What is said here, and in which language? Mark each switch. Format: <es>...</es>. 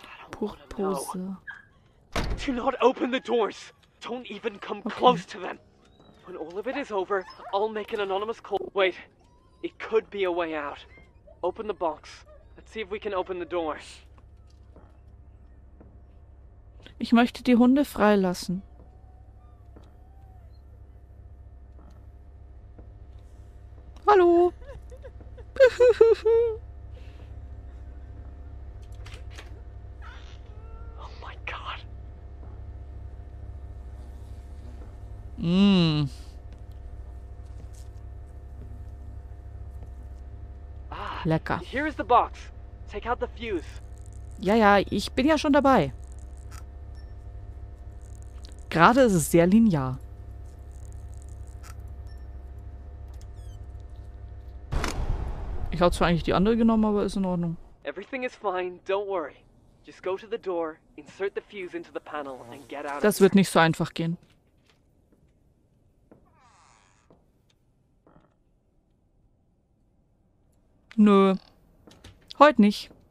<en>Purpose. Do not open the doors. Don't even come okay. close to them. When all of it is over, I'll make an anonymous call. Wait, it could be a way out. Open the box. Let's see if we can open the door.</en> <de>Ich möchte die Hunde freilassen. Hallo.</de> <en>Oh my God.</en> <de>Lecker.</de> <en>Here is the box. Take out the fuse.</en> <de>Ja, ja, ich bin ja schon dabei. Gerade ist es sehr linear. Ich habe zwar eigentlich die andere genommen, aber ist in Ordnung.</de> <en>Everything is fine, don't worry. Just go to the door, insert the fuse into the panel and get out.</en> <de>Das wird nicht so einfach gehen. Nö. Heute nicht.</de>